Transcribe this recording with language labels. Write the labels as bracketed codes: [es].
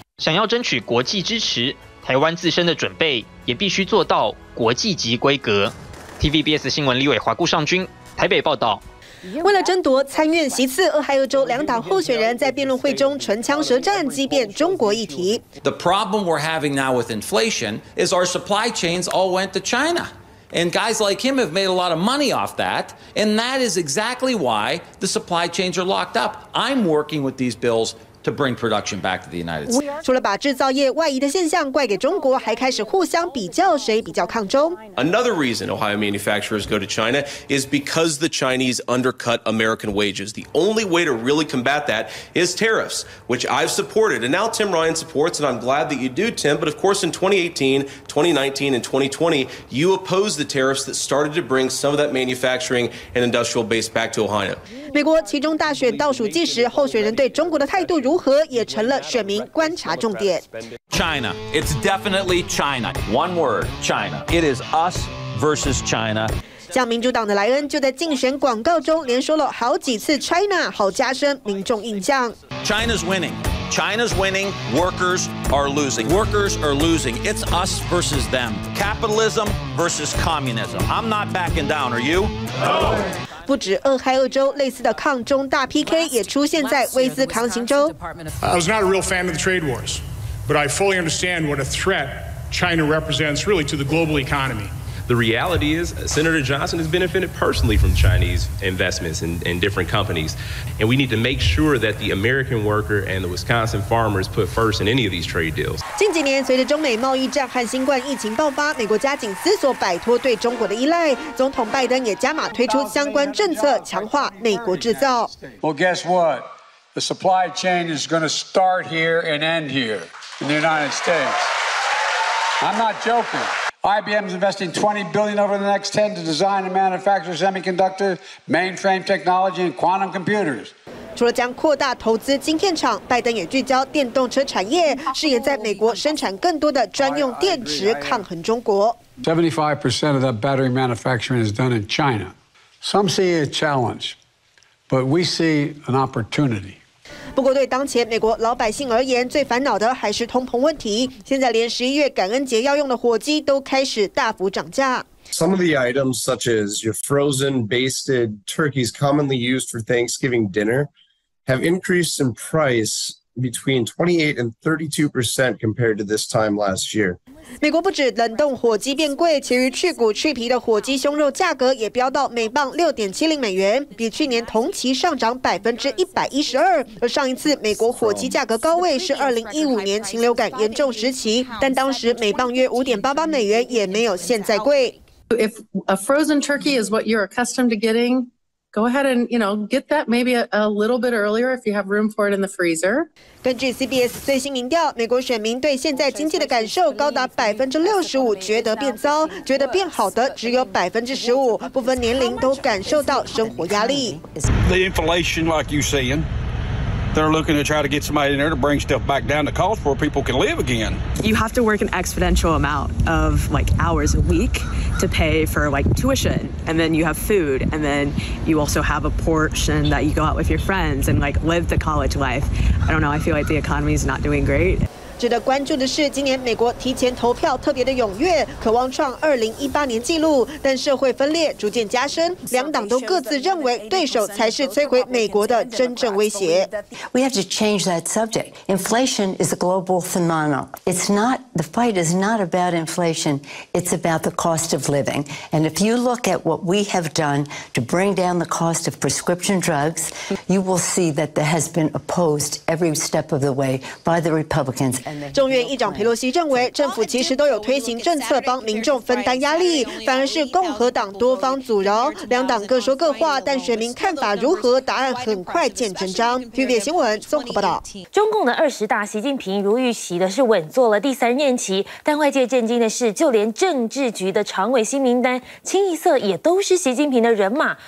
[zh] 想要争取国际支持，台湾自身的准备也必须做到国际级规格。 TVBS 新闻李伟华、顾尚君台北报道。为了争夺参院席次，俄亥俄州两党候选人在辩论会中唇枪舌战，激辩中国议题。 [en] The problem we're having now with inflation is our supply chains all went to China, and guys like him have made a lot of money off that, and that is exactly why the supply chains are locked up. I'm working with these bills to bring production back to the United States. [zh] 除了把制造业外移的现象怪给中国，还开始互相比较谁比较抗中。 [en] Another reason Ohio manufacturers go to China is because the Chinese undercut American wages. The only way to really combat that is tariffs, which I've supported. And now Tim Ryan supports, and I'm glad that you do, Tim. But of course, in 2018, 2019, and 2020, you opposed the tariffs that started to bring some of that manufacturing and industrial base back to Ohio. [zh] 美国其中大选倒数计时，候选人对中国的态度如何也成了选民观察重点。 [en] China, it's definitely China. One word, China. It is us versus China. [zh] 像民主党的莱恩就在竞选广告中连说了好几次 China, 好加深民众印象。 [en] China's winning. China's winning. Workers are losing. Workers are losing. It's us versus them. Capitalism versus communism. I'm not backing down. Are you? No. [zh] 不止俄亥俄州，类似的抗中大 PK 也出现在威斯康星州。 [en] I was not a real fan of the trade wars, but I fully understand what a threat China represents really to the global economy. The reality is, Senator Johnson has benefited personally from Chinese investments in different companies, and we need to make sure that the American worker and the Wisconsin farmers put first in any of these trade deals. [zh] 近几年，随着中美贸易战和新冠疫情爆发，美国加紧思索摆脱对中国的依赖。总统拜登也加码推出相关政策，强化美国制造。 [en] Well, guess what? The supply chain is going to start here and end here in the United States. I'm not joking. IBM is investing $20 billion over the next 10 to design and manufacture semiconductor mainframe technology and quantum computers. [zh] 除了将扩大投资晶片厂，拜登也聚焦电动车产业，誓言在美国生产更多的专用电池，抗衡中国。 [en] 75% of that battery manufacturing is done in China. Some see a challenge, but we see an opportunity. [zh] 不过对当前美国老百姓而言，最烦恼的还是通膨问题。现在连11月感恩节要用的火鸡都开始大幅涨价。 [en] Some of the items such as your frozen basted turkeys commonly used for Thanksgiving dinner have increased in price between 28% and 32% compared to this time last year. [zh] 美国不止冷冻火鸡变贵，其余去骨去皮的火鸡胸肉价格也飙到每磅$6.70，比去年同期上涨112%。而上一次美国火鸡价格高位是2015年禽流感严重时期，但当时每磅约$5.88，也没有现在贵。 [en] If a frozen turkey is what you're accustomed to getting, go ahead and you know get that maybe a little bit earlier if you have room for it in the freezer. [zh] 根据 CBS 最新民调，美国选民对现在经济的感受高达65%觉得变糟，觉得变好的只有15%，不分年龄都感受到生活压力。 [en] The inflation, like you're seeing, they're looking to try to get somebody in there to bring stuff back down to cost where people can live again. You have to work an exponential amount of like hours a week to pay for like tuition, and then you have food, and then you also have a portion that you go out with your friends and like live the college life. I don't know, I feel like the economy is not doing great. [zh] 值得关注的是，今年美国提前投票特别的踊跃，渴望创2018年纪录，但社会分裂逐渐加深，两党都各自认为对手才是摧毁美国的真正威胁。 [en] We have to change that subject. Inflation is a global phenomenon. It's not, the fight is not about inflation, it's about the cost of living. And if you look at what we have done to bring down the cost of prescription drugs, you will see that there has been opposed every step of the way by the Republicans. [zh] 众院议长佩洛西认为，政府其实都有推行政策帮民众分担压力，反而是共和党多方阻挠，两党各说各话，但选民看法如何，答案很快见真章。 TVBS 新闻综合报道。中共的二十大，习近平如预期的是稳坐了第三任期，但外界震惊的是，就连政治局的常委新名单，清一色也都是习近平的人马。